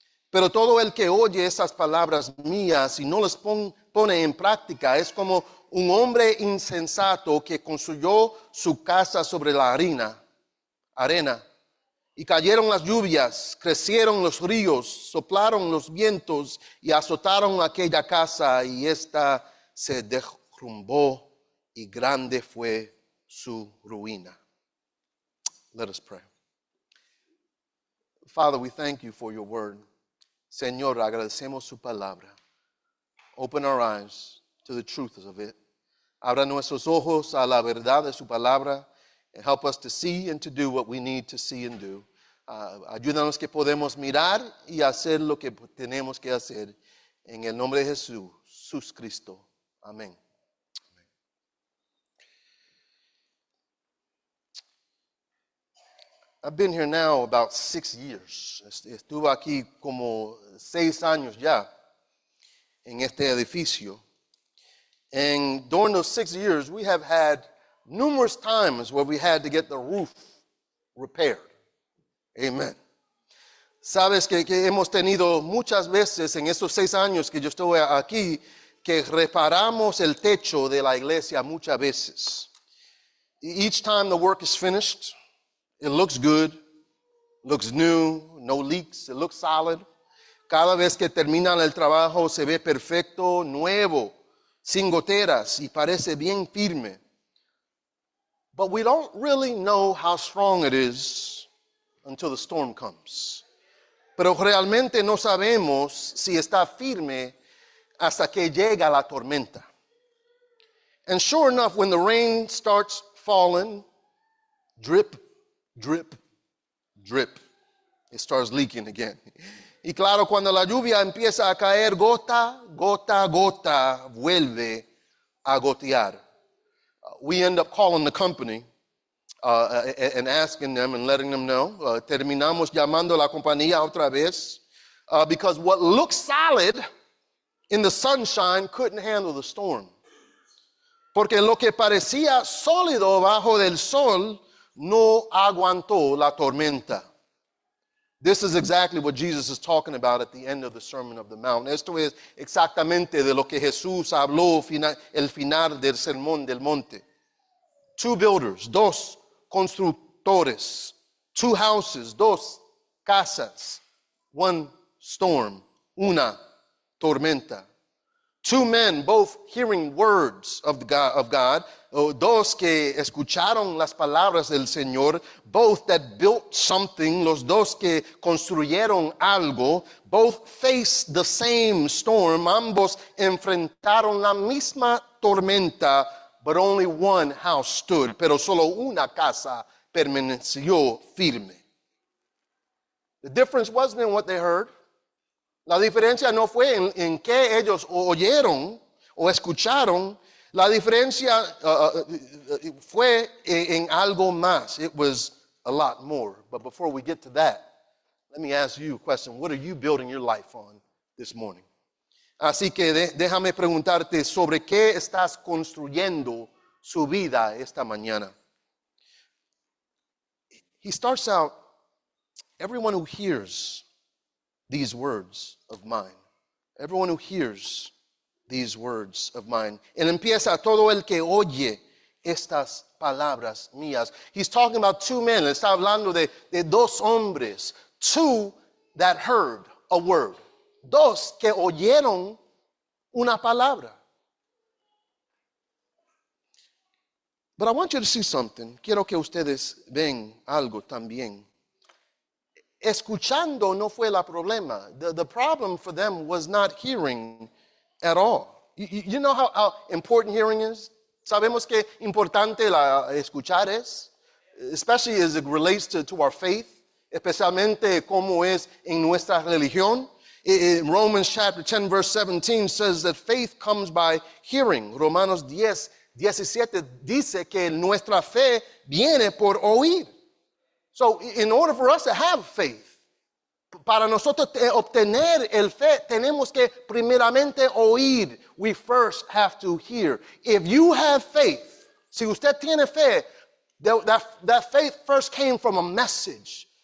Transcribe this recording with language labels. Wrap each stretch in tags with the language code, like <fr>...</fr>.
<es>Pero todo el que oye esas palabras mías y no las pone en práctica es como un hombre insensato que construyó su casa sobre la arena. Y cayeron las lluvias, crecieron los ríos, soplaron los vientos y azotaron aquella casa y esta se derrumbó y grande fue su ruina.</es> <en>Let us pray. Father, we thank you for your word.</en> <es>Señor, agradecemos su palabra.</es> <en>Open our eyes to the truth of it.</en> <es>Abra nuestros ojos a la verdad de su palabra</es> <en>and help us to see and to do what we need to see and do.</en> <es>Ayúdanos que podemos mirar y hacer lo que tenemos que hacer. En el nombre de Jesús Cristo. Amén. Amén.</es> <en>I I've been here now about 6 years.</en> <es>Estuve aquí como 6 años ya en este edificio.</es> <en>And during those 6 years, we have had numerous times where we had to get the roof repaired. Amen.</en> <es>Sabes que hemos tenido muchas veces en estos 6 años que yo estoy aquí que reparamos el techo de la iglesia muchas veces.</es> <en>Each time the work is finished, it looks good, looks new, no leaks, it looks solid.</en> <es>Cada vez que terminan el trabajo se ve perfecto, nuevo, sin goteras y parece bien firme.</es> <en>But we don't really know how strong it is until the storm comes.</en> <es>Pero realmente no sabemos si está firme hasta que llega la tormenta.</es> <en>And sure enough, when the rain starts falling, drip, drip, drip, it starts leaking again.</en> <es>Y claro, cuando la lluvia empieza a caer, gota, gota, gota, vuelve a gotear.</es> <en>We end up calling the company and asking them and letting them know.</en> <es>Terminamos llamando la compañía otra vez</es> <en>because what looks solid in the sunshine couldn't handle the storm.</en> <es>Porque lo que parecía sólido bajo del sol no aguantó la tormenta.</es> <en>This is exactly what Jesus is talking about at the end of the Sermon of the Mount.</en> <es>Esto es exactamente de lo que Jesús habló el final del Sermón del Monte.</es> <en>Two builders,</en> <es>dos constructores,</es> <en>two houses,</en> <es>dos casas,</es> <en>one storm,</en> <es>una tormenta.</es> <en>Two men, both hearing words of God,</en> <es>dos que escucharon las palabras del Señor,</es> <en>both that built something,</en> <es>los dos que construyeron algo,</es> <en>both faced the same storm,</en> <es>ambos enfrentaron la misma tormenta,</es> <en>but only one house stood,</en> <es>pero solo una casa permaneció firme.</es> <en>The difference wasn't in what they heard.</en> <es>La diferencia no fue en qué ellos oyeron o escucharon. La diferencia fue en algo más.</es> <en>It was a lot more. But before we get to that, let me ask you a question. What are you building your life on this morning?</en> <es>Así que déjame preguntarte sobre qué estás construyendo su vida esta mañana.</es> <en>He starts out, everyone who hears these words of mine. Everyone who hears these words of mine.</en> <es>Él empieza todo el que oye estas palabras mías.</es> <en>He's talking about two men.</en> <es>Está hablando de dos hombres.</es> <en>Two that heard a word.</en> <es>Dos que oyeron una palabra.</es> <en>But I want you to see something.</en> <es>Quiero que ustedes vean algo también. Escuchando no fue la problema.</es> <en>The problem for them was not hearing at all. You know how important hearing is?</en> <es>Sabemos que importante la escuchar es,</es> <en>especially as it relates to our faith,</en> <es>especialmente como es en nuestra religión.</es> <en>In Romans chapter 10, verse 17 says that faith comes by hearing.</en> <es>Romanos 10, 17 dice que nuestra fe viene por oír.</es> <en>So in order for us to have faith,</en> <es>para nosotros obtener el fe, tenemos que primeramente oír.</es> <en>We first have to hear. If you have faith,</en> <es>si usted tiene fe,</es> <en>that faith first came from a message.</en>